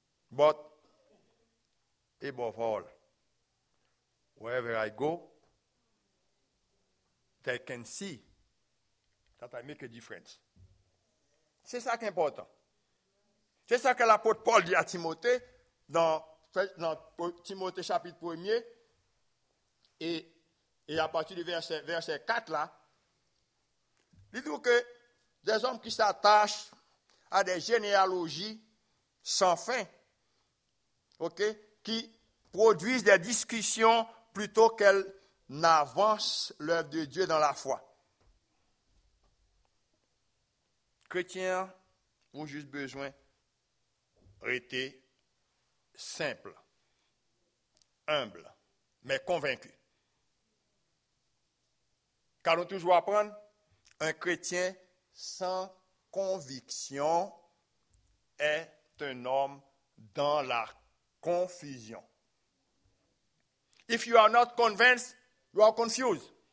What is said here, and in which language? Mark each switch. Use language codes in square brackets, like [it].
[en] But, above all, wherever I go, they can see that I make a difference. [fr] C'est ça qui est important. C'est ça que l'apôtre Paul dit à Timothée dans Timothée chapitre 1er et à partir du verset 4 là, il dit que des hommes qui s'attachent à des généalogies sans fin, ok, qui produisent des discussions plutôt qu'elles n'avancent l'œuvre de Dieu dans la foi. Chrétiens ont juste besoin d'arrêter simple. humble, mais convaincu. Car nous toujours apprendre, un chrétien sans conviction est un homme dans la confusion. [en] If you are not convinced, you are confused.